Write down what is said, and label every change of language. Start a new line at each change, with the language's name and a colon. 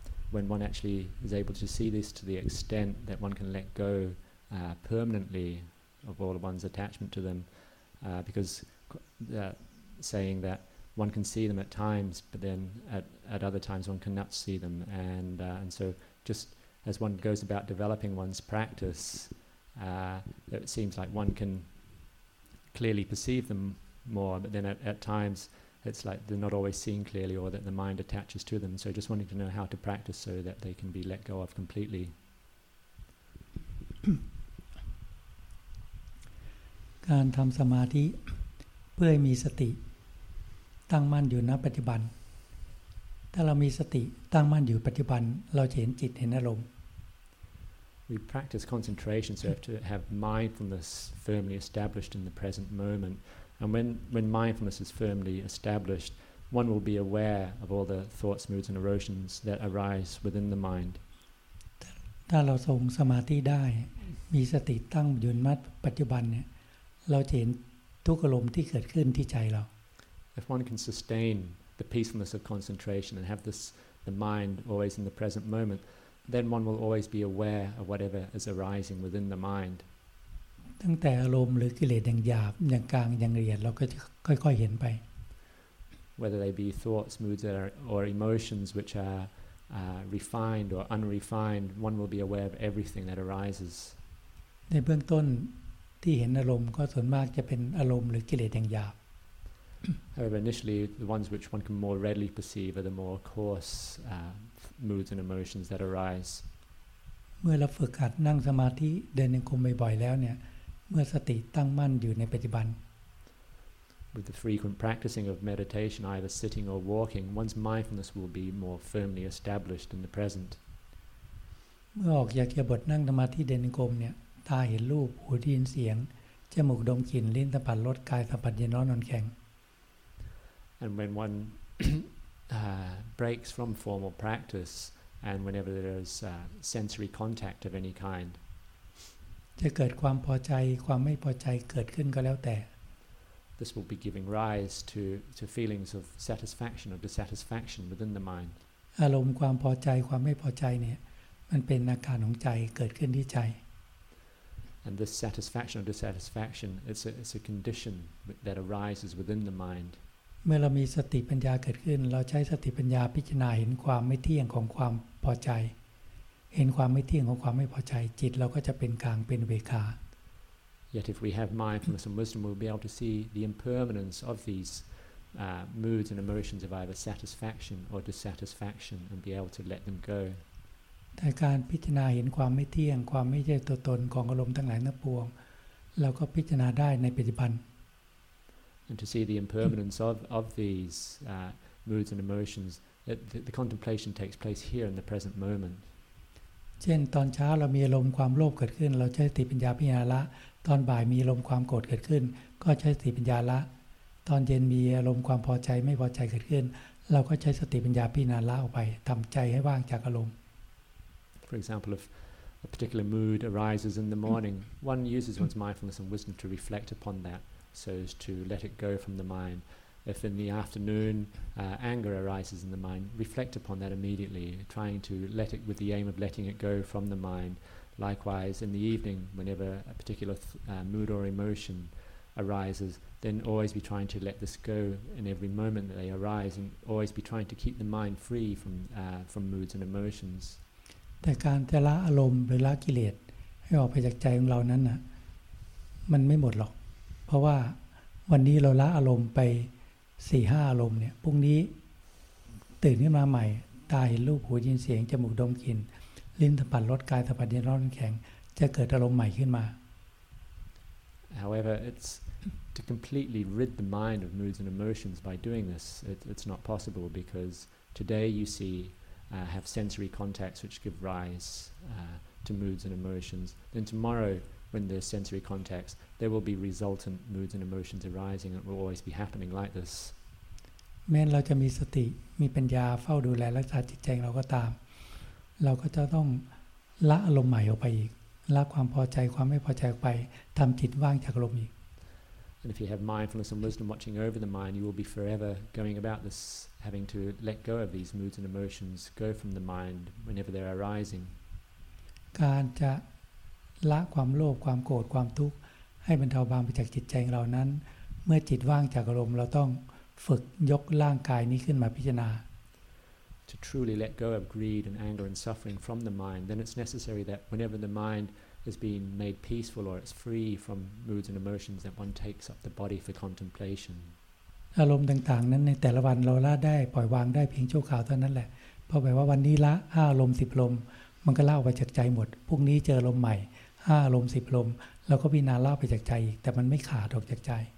English: When one actually is able to see this to the extent that one can let go permanently of all of one's attachment to them, because saying that one can see them at times, but then at other times one cannot see them, and so just as one goes about developing one's practice, it seems like one can. Clearly perceive them more, but then at times it's like they're not always seen clearly, or that the mind attaches to them. So just wanting to know how to practice so that they can be let go of completely.
Thai: การทำสมาธิเพื่อมีสติตั้งมั่นอยู่ณปัจจุบันถ้าเรามีสติตั้งมั่นอยู่ปัจจุบันเราจะเห็นจิตเห็นอารมณ์
English: We practice concentration, so we have to have mindfulness firmly established in the present moment. And when mindfulness is firmly established, one will be aware of all the thoughts, moods, and emotions that arise within the mind.
Thai: ถ้าเราทรงสมาธิได้มีสติตั้งอยู่ในปัจจุบันเนี่ยเราจะเห็นทุกอารมณ์ที่เกิดขึ้นที่ใจเรา
English: If one can sustain the peacefulness of concentration and have this the mind always in the present moment, then one will always be aware of whatever is arising within the mind.
Thai: ตั้งแต่อารมณ์หรือกิเลสอย่างหยาบอย่างกลางอย่างละเอียดเราก็จะค่อยๆเห็นไป
English: Whether they be thoughts, moods, or emotions which are refined or unrefined, one will be aware of everything that arises.
Thai: ในเบื้องต้นที่เห็นอารมณ์ก็ส่วนมากจะเป็นอารมณ์หรือกิเลสอย่างหยาบ
English: However, initially, the ones which one can more readily perceive are the more coarse moods and emotions that arise.
Thai: เมื่อเราฝึกหัดนั่งสมาธิเดินจงกรมบ่อยๆแล้วเนี่ยเมื่อสติตั้งมั่นอยู่ในปัจจุบัน
English: With the frequent practicing of meditation, either sitting or walking, one's mindfulness will be more firmly established in the present.
Thai: เมื่อออกจากบทนั่งสมาธิเดินจงกรมเนี่ยตาเห็นรูปหูได้ยินเสียงจมูกดมกลิ่นลิ้นสัมผัสรสกายสัมผัสเย็นร้อนนอนแข็ง
English: And when one breaks from formal practice, and whenever there is sensory contact of any kind,
Thai: จะเกิดความพอใจความไม่พอใจเกิดขึ้นก็แล้วแต่
English: This will be giving rise to feelings of satisfaction or dissatisfaction within the mind.
Thai: อารมณ์ความพอใจความไม่พอใจเนี่ยมันเป็นอาการของใจเกิดขึ้นที่ใจ
English: And this satisfaction or dissatisfaction, it's a condition that arises within the mind.
Thai: เมื่อเรามีสติปัญญาเกิดขึ้นเราใช้สติปัญญาพิจารณาเห็นความไม่เที่ยงของความพอใจเห็นความไม่เที่ยงของความไม่พอใจจิตเราก็จะเป็นกลางเป็นอุเบกขา
English: Yet if we have mindfulness and wisdom we'll be able to see the impermanence of these moods and emotions of either satisfaction or dissatisfaction and be able to let them go
Thai: แต่การพิจารณาเห็นความไม่เที่ยงความไม่ใช่ตัวตนของอารมณ์ทั้งหลายทั้งปวงเราก็พิจารณาได้ในปัจจุบัน
English: And to see the impermanence of these moods and emotions, the contemplation takes place here in the present moment.
Thai: เช่นตอนเช้าเรามีอารมณ์ความโลภเกิดขึ้นเราใช้สติปัญญาพิจารณาตอนบ่ายมีอารมณ์ความโกรธเกิดขึ้นก็ใช้สติปัญญาละตอนเย็นมีอารมณ์ความพอใจไม่พอใจเกิดขึ้นเราก็ใช้สติปัญญาพิจารณาออกไปทำใจให้ว่างจากอารมณ์
English: For example, if a particular mood arises in the morning, one uses one's mindfulness and wisdom to reflect upon that. So as to let it go from the mind. If in the afternoon anger arises in the mind, reflect upon that immediately, trying to let it with the aim of letting it go from the mind. Likewise, in the evening, whenever a particular mood or emotion arises, then always be trying to let this go in every moment that they arise, and always be trying to keep the mind free from moods and emotions.
Thai: แต่การจะละอารมณ์หรือละกิเลสให้ออกไปจากใจของเรานั้นน่ะมันไม่หมดหรอกเพราะว่าวันนี้เราละอารมณ์ไป 4-5 อารมณ์เนี่ยพรุ่งนี้ตื่นขึ้นมาใหม่ตาเห็นรูปหูยินเสียงจมูกดมกลิ่นลิ้นสัมผัสรสกายสัมผัสเย็นร้อนแข็งจะเกิดอารมณ์ใหม่ขึ้นมา
English: However it's to completely rid the mind of moods and emotions by doing this it's not possible because today you see have sensory contacts which give rise to moods and emotions then tomorrowwhen there's sensory contacts, there will be resultant moods and emotions arising and it will always be happening like this.
Thai: แม้เราจะมีสติมีปัญญาเฝ้าดูแลรักษาจิตใจเราก็ตามเราก็จะต้องละอารมณ์ใหม่ออกไปอีกละความพอใจความไม่พอใจไปทำจิตว่างจากอารมณ์อีก
English: And if you have mindfulness and wisdom watching over the mind, you will be forever going about this, having to let go of these moods and emotions, go from the mind whenever they're arising.
Thai: การจะละความโลภความโกรธความทุกข์ให้บรรเทาบางไปจากจิตใจของเรานั้นเมื่อจิตว่างจากอารมณ์เราต้องฝึกยกร่างกายนี้ขึ้นมาพิจารณา
English: To truly let go of greed and anger and suffering from the mind then it's necessary that whenever the mind has been made peaceful or it's free from moods and emotions that one takes up the body for contemplation
Thai: อารมณ์ต่างๆนั้นในแต่ละวันเราละได้ปล่อยวางได้เพียงชั่วคราวเท่านั้นแหละเพราะแปลว่าวันนี้ละ5อารมณ์10อารมณ์มันก็ละออกไปจากใจหมดพรุ่งนี้เจออารมณ์ใหม่5อารมณ์10อารมณ์แล้วก็พิจารณาไปจากใจแต่มันไม่ขาดออกจากใจ